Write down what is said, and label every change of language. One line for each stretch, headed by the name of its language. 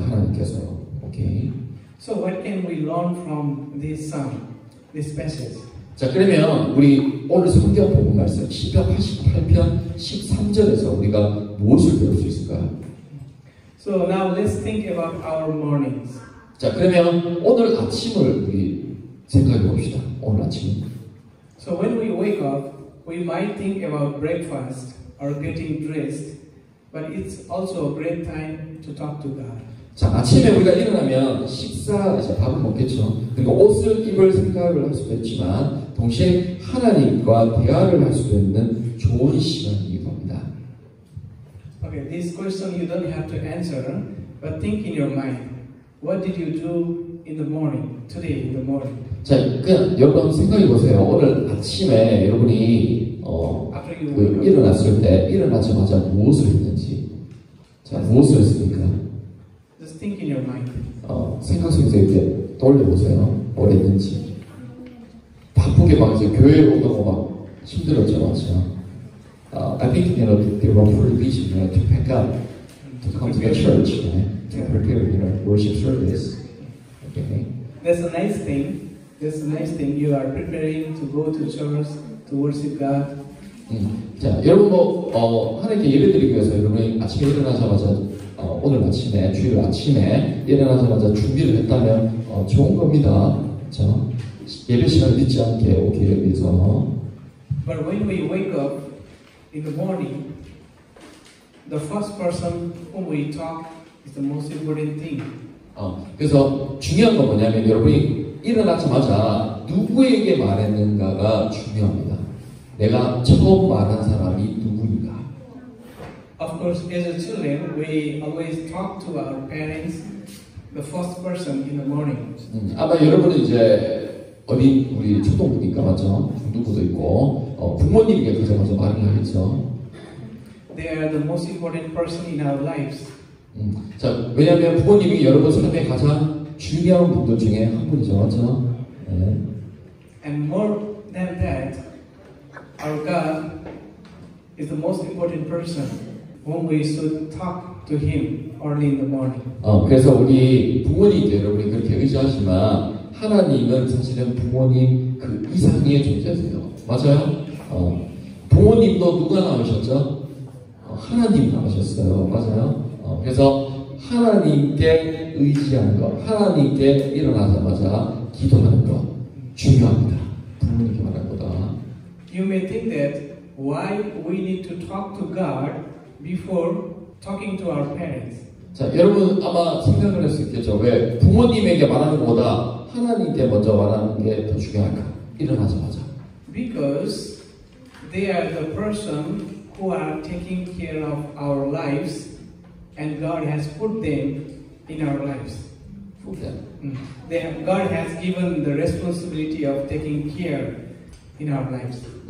Korean: 하나님께서. Okay.
English: So what can we learn from this psalm, this passage?
Korean: 자, 그러면 우리 오늘 성경 본문 말씀 시편 88편 13절에서 우리가 무엇을 배울 수 있을까요?
English: So now let's think about our mornings.
Korean: 자, 그러면 오늘 아침을 우리 생각해 봅시다. 오늘 아침.
English: So when we wake up, we might think about breakfast or getting dressed, but it's also a great time to talk to God.
Korean: 자, 아침에 우리가 일어나면 식사, 밥은 먹겠죠. 그러니까 옷을 입을 생각을 할 수도 있지만 동시에 하나님과 대화를 할 수도 있는 좋은 시간이 겁니다.
English: Okay, this question you don't have to answer, but think in your mind. What did you do in the morning, today in the morning?
Korean: 자, 그냥 여러분 생각해 보세요. 오늘 아침에 여러분이 일어났을 때 일어나자마자 무엇을 했는지. 자, 무엇을 했습니까?
English: Just think in your mind.
Korean: 생각 속에서 이렇게 떠올려보세요. 뭘 했는지. 바쁘게 막 이제 교회 오는 거 막 힘들었죠, 맞죠?
English: I think you know they were pretty busy, you know, to pack up, to come to the church, right? To prepare, you know, worship service. Okay. That's a nice thing. That's a nice thing. You are preparing to go to church to worship God.
Korean: 자, 여러분 뭐 하나님께 예배드리기 위해서 여러분이 아침에 일어나자마자 오늘 아침에 주일 아침에 일어나자마자 준비를 했다면 좋은 겁니다. 자, 예배 시간 늦지 않게 오기 위해서.
English: But when we wake up in the morning, the first person whom we talk is the most important thing.
Korean: 그래서 중요한 건 뭐냐면 여러분이 일어나자마자 누구에게 말했는가가 중요합니다. 내가 처음 말한 사람이 누구인가.
English: Of course, as a children, we always talk to our parents, the first person in the morning.
Korean: 아마 여러분은 이제 어린 우리 초등부니까 맞죠? 중등부도 있고 부모님에게 가장 먼저 말을 하겠죠.
English: They are the most important person in our lives.
Korean: 자, 왜냐하면 부모님이 여러분 삶에 가장 중요한 분들 중에 한 분이죠, 맞죠? 네.
English: And more than that, our God is the most important person. When we should talk to him early in the morning.
Korean: 그래서 우리 부모님들 여러분이 그렇게 의지하지만 하나님은 사실은 부모님 그 이상의 존재세요. 맞아요? 부모님도 누가 나오셨죠? 하나님 나오셨어요. 맞아요? 그래서 하나님께 의지하는 것, 하나님께 일어나자마자 기도하는 것 중요합니다. 부모님께 말한 거다.
English: You may think that why we need to talk to God before talking to our parents.
Korean: 자, 여러분 아마 생각을 할 수 있겠죠. 왜 부모님에게 말하는 것보다 하나님께 먼저 말하는 게 더 중요할까? 일어나자마자.
English: Because they are the person who are taking care of our lives. And God has put them in our lives. Put them. They have, God has given the responsibility of taking care in our lives.